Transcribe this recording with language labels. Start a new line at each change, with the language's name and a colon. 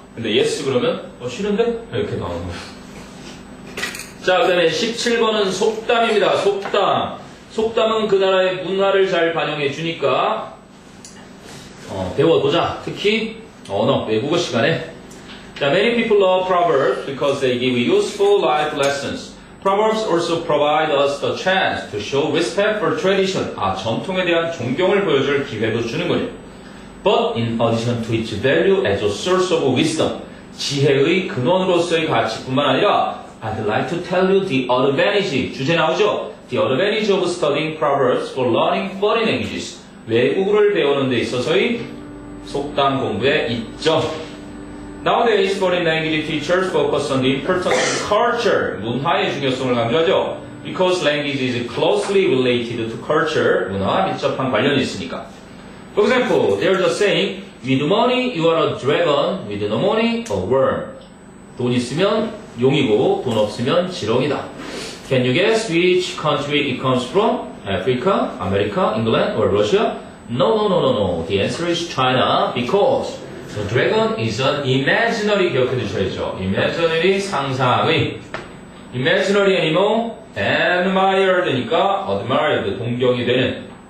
Korean: 근데 예스 그러면 싫은데? 이렇게 나오는 거예요. 자, 그 다음에 17번은 속담입니다. 속담. 속담은 그 나라의 문화를 잘 반영해 주니까 배워보자. 특히 언어, 외국어 시간에.
English: Many people love proverbs because they give useful life lessons. Proverbs also provide us the chance to show respect for tradition.
Korean: 아, 전통에 대한 존경을 보여줄 기회도 주는군요.
English: But in addition to its value as a source of wisdom,
Korean: 지혜의 근원으로서의 가치뿐만 아니라
English: I'd like to tell you the advantage,
Korean: 주제 나오죠?
English: The advantage of studying proverbs for learning foreign languages.
Korean: 외국어를 배우는 데 있어서의 속담 공부의 이점.
English: Nowadays, foreign language teachers focus on the importance of culture,
Korean: 문화의 중요성을 강조하죠.
English: Because language is closely related to culture,
Korean: 문화와 밀접한 관련이 있으니까.
English: For example, there's a saying, with money, you are a dragon, with no money, a worm.
Korean: 돈 있으면 용이고, 돈 없으면 지렁이다.
English: Can you guess which country it comes from? Africa, America, England, or Russia? No, no, no, no, no. The answer is China, because the dragon is an imaginary,
Korean: 기억해 두셔야죠.
English: Imaginary, 상상의. Imaginary animal, admired니까, admired,
Korean: 동경이 되는.